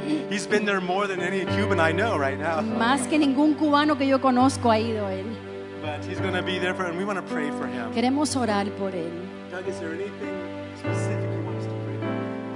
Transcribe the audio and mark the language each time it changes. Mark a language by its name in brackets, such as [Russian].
[English] He's been there more than any Cuban I know right now. [Spanish] Más que ningún cubano que yo conozco ha ido él. [English] But he's going to be there for, and we want to pray for him. [Spanish] Queremos orar por él. [English] Doug, is there anything specific you want us to pray for?